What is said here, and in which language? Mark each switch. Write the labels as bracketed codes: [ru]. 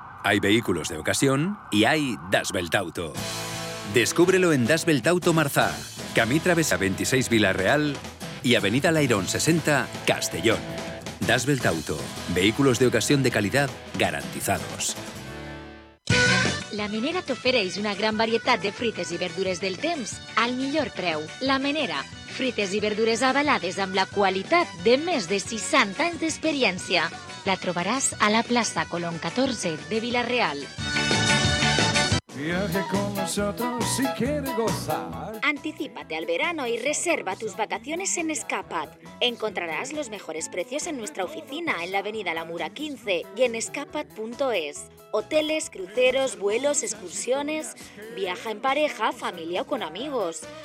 [es] Hay vehículos de ocasión y hay Dash Belt Auto. Descúbrelo en Dash Belt Auto Marzá, Camitra Besa 26 Villarreal y Avenida Lairón 60 Castellón. Dash Belt Auto. Vehículos de ocasión de calidad garantizados. [ca] La Menera t'ofereix una gran varietat de frites i verdures del temps al millor preu. La Menera, frites i verdures avalades amb la qualitat de més de 60 anys d'experiència. La trobaràs a la plaça Colón 14 de Villarreal. [es] Viaje con nosotros si quieres gozar. Anticípate al verano y reserva tus vacaciones en Escapat. Encontrarás los mejores precios en nuestra oficina en la Avenida La Mura 15 y en escapat.es. Hoteles, cruceros, vuelos, excursiones, viaja en pareja, familia o con amigos.